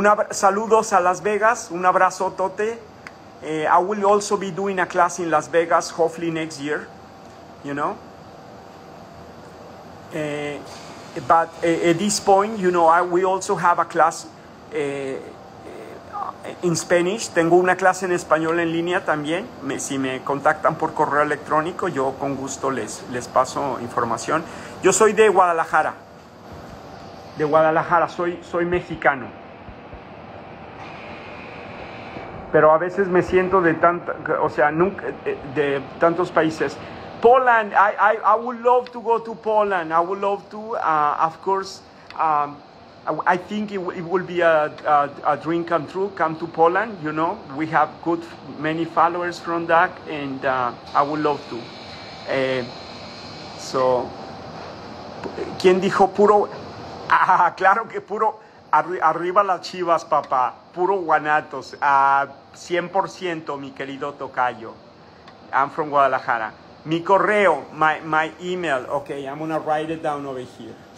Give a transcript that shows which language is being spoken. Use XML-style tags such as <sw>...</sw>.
<es>Saludos a Las Vegas. Un abrazo, Tote.</es> <en>I will also be doing a class in Las Vegas, hopefully next year. You know? But at this point, you know, we also have a class in Spanish.</en> <es>Tengo una clase en español en línea también. Si me contactan por correo electrónico, yo con gusto les paso información. Yo soy de Guadalajara. De Guadalajara, soy mexicano. Pero a veces me siento de tantos países.</es> <en>Poland, I would love to go to Poland. I would love to, of course. I think it will be a dream come true, come to Poland. You know, we have good many followers from that, and I would love to.</en> <es>So, ¿quién dijo puro? Ah, claro que puro, arriba las chivas, papá, puro guanatos, 100%, mi querido tocayo.</es> <en>I'm from Guadalajara.</en> <es>Mi correo,</es> <en>my email, okay, I'm going to write it down over here.</en>